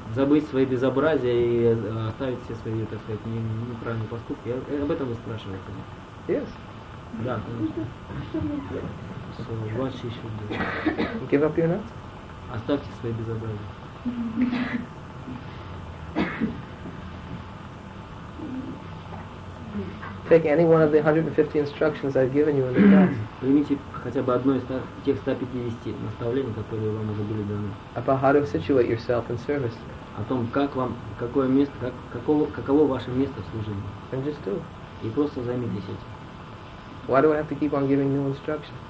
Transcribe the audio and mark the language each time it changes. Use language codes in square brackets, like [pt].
[ru] Забыть свои безобразия и оставить все свои, так сказать, неправильные поступки. Об этом вы спрашиваете. [en] Yes. [ru] Да, конечно. [en] So what she should do? Give up your nonsense? [ru] Оставьте свои безобразия. [en] Take any one of the 150 instructions I've given you in the class. [ru] Примите хотя бы одно из тех 150 наставлений, которые вам уже были даны. [en] About how to situate yourself in service. [ru] О том, как вам, какое место, как, каково ваше место в служении. [en] And just do. [ru] И просто займитесь этим. [en] Why do I have to keep on giving new instructions?